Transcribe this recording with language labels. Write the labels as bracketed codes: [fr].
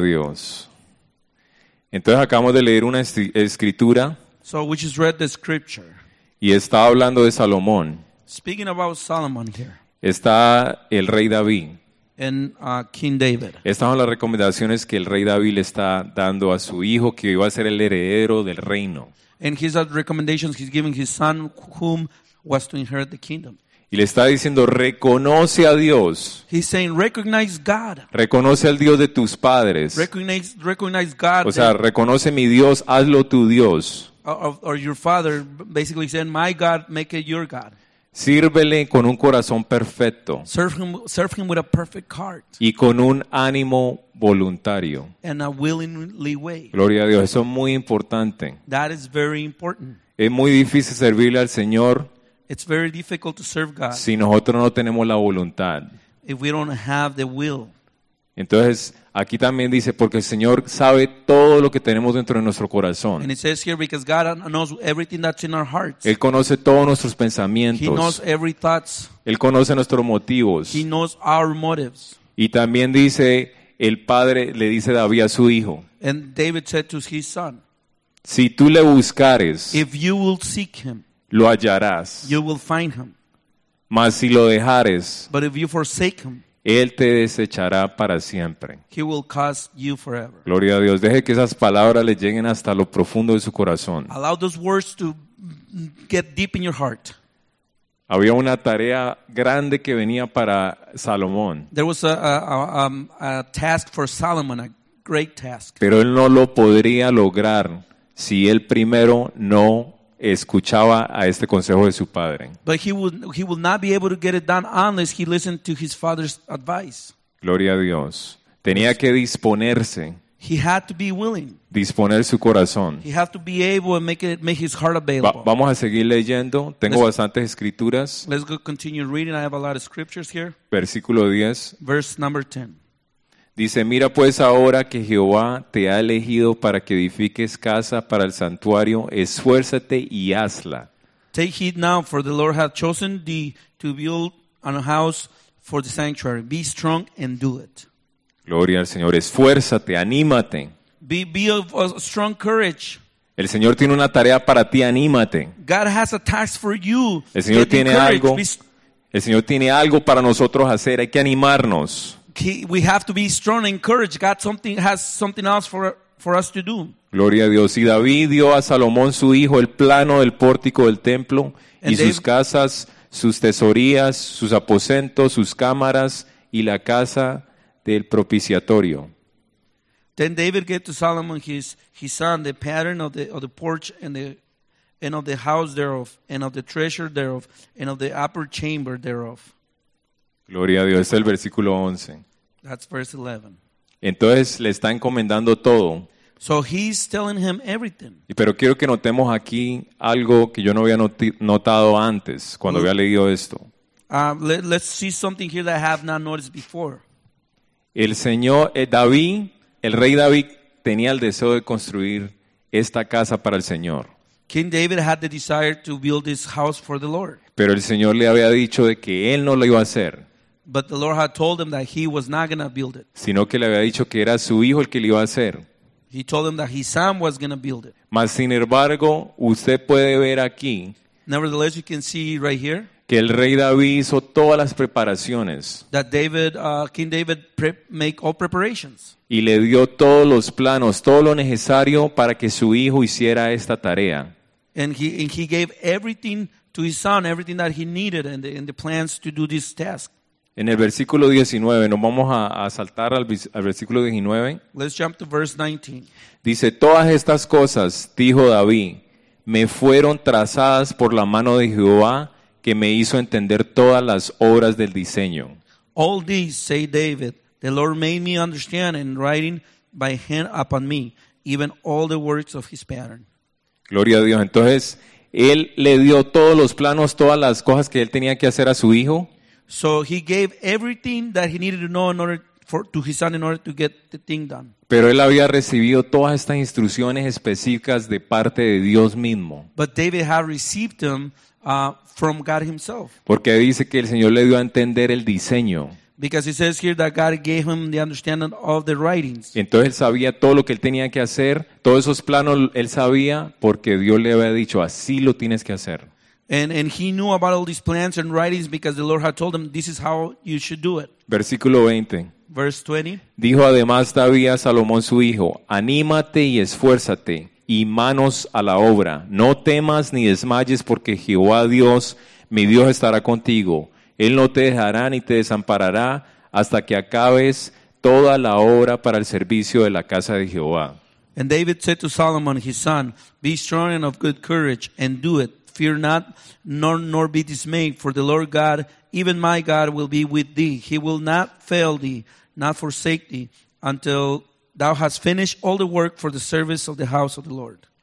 [es] A Dios. Entonces acabamos de leer una escritura. [en] So we just read the scripture. [es] Y está hablando de Salomón. [en] Speaking about Solomon here. [es] Está el rey David. [en] And King David. [es] Estas son las recomendaciones que el rey David le está dando a su hijo que iba a ser el heredero del reino. [en] And his recommendations he's giving his son whom was to inherit the kingdom. [es] Y le está diciendo, reconoce a Dios. [en] He's saying, recognize God. [es] Reconoce al Dios de tus padres. [en] Recognize God. [es] O sea, reconoce mi Dios, hazlo tu Dios. [en] Or your father, basically saying, my God, make it your God. [es] Sírvele con un corazón perfecto. [en] Serve him with a perfect heart. [es] Y con un ánimo voluntario. [en] And a willingly way. [es] Gloria a Dios, eso es muy importante. [en] That is very important. [es] Es muy difícil servirle al Señor. [en] It's very difficult to serve God. [es] Si nosotros no tenemos la voluntad. [en] If we don't have the will. [es] Entonces, aquí también dice, porque el Señor sabe todo lo que tenemos dentro de nuestro corazón. [en] And it says here, because God knows everything that's in our hearts. [es] Él conoce todos nuestros pensamientos. [en] He knows every thoughts. [es] Él conoce nuestros motivos. [en] He knows our motives. [es] Y también dice, el Padre le dice David a su hijo. [en] And David said to his son. [es] Si tú le buscares. [en] If you will seek him. [es] Lo hallarás. [en] You will find him. [es] Mas si lo dejares, [en] but if you forsake him, [es] él te desechará para siempre. [en] He will cast you forever. [es] Gloria a Dios. Deje que esas palabras le lleguen hasta lo profundo de su corazón. [en] Allow those words to get deep in your heart. [es] Había una tarea grande que venía para Salomón. [en] There was a task for Solomon, a great task. [es] Pero él no lo podría lograr si él primero no escuchaba a este consejo de su padre. [en] But he will not be able to get it done unless he listened to his father's advice. [es] Gloria a Dios. Tenía que disponerse. [en] He had to be willing. [es] Disponer su corazón. [en] He had to be able and make his heart available. [es] Vamos a seguir leyendo. Tengo bastantes escrituras. [en] Let's go continue reading. I have a lot of scriptures here. [es] Versículo 10. [en] Verse number 10. [es] Dice, mira pues ahora que Jehová te ha elegido para que edifiques casa para el santuario, esfuérzate y hazla. [en] Take heed now, for the Lord hath chosen thee to build a house for the sanctuary. Be strong and do it. [es] Gloria al Señor, esfuérzate, anímate. [en] Be of a strong courage. [es] El Señor tiene una tarea para ti, anímate. [en] God has a task for you. [es] El Señor tiene algo. El Señor tiene algo para nosotros hacer, hay que animarnos. [en] We have to be strong and courage. God has something else for us to do. [es] Gloria a Dios. Y David dio a Salomón su hijo el plano del pórtico del templo y sus casas, sus tesorías, sus aposentos, sus cámaras y la casa del propiciatorio. [en] Then David gave to Solomon his son the pattern of the porch and of the house thereof and of the treasure thereof and of the upper chamber thereof. [es] Gloria a Dios. Es el versículo 11. [en] That's verse 11. [es] Entonces le está encomendando todo. [en] So he's telling him everything. [es] Pero quiero que notemos aquí algo que yo no había notado antes cuando había leído esto. [en] Let's see something here that I have not noticed before. [es] El Señor, el rey David tenía el deseo de construir esta casa para el Señor. [en] King David had the desire to build this house for the Lord. [es] Pero el Señor le había dicho de que él no lo iba a hacer. [en] But the Lord had told him that he was not going to build it. [es] Sino que le había dicho que era su hijo el que lo iba a hacer. [en] He told him that his son was going to build it. [es] Mas sin embargo, usted puede ver aquí. [en] Nevertheless, you can see right here. [es] Que el rey David hizo todas las preparaciones. [en] That David, King David make all preparations. [es] Y le dio todos los planos, todo lo necesario para que su hijo hiciera esta tarea. [en] And he gave everything to his son, everything that he needed and the plans to do this task. [es] En el versículo 19, nos vamos a saltar al versículo 19. [en] Let's jump to verse 19. [es] Dice, todas estas cosas, dijo David, me fueron trazadas por la mano de Jehová, que me hizo entender todas las obras del diseño. [en] All these, say David, the Lord made me understand in writing by hand upon me, even all the works of his pattern. [es] Gloria a Dios. Entonces, él le dio todos los planos, todas las cosas que él tenía que hacer a su hijo. [en] So he gave everything that he needed to know in order to his son in order to get the thing done. [es] Pero él había recibido todas estas instrucciones específicas de parte de Dios mismo. [en] But David had received them from God himself. [es] Porque dice que el Señor le dio a entender el diseño. [en] Because it says here that God gave him the understanding of the writings. [es] Entonces él sabía todo lo que él tenía que hacer, todos esos planos él sabía porque Dios le había dicho así lo tienes que hacer. [en] And he knew about all these plans and writings because the Lord had told him this is how you should do it. [es] Versículo 20. [en] Verse 20. [es] Dijo además David a Salomón su hijo, anímate y esfuérzate y manos a la obra. No temas ni desmayes porque Jehová Dios Mi Dios estará contigo. Él no te dejará ni te desamparará hasta que acabes toda la obra para el servicio de la casa de Jehová. [en] And David said to Solomon, his son, be strong and of good courage and do it. Fear not, nor be dismayed, for the Lord God, even my God, will be with thee. He will not fail thee, not forsake thee, until thou hast finished all the work for the service of the house of the Lord.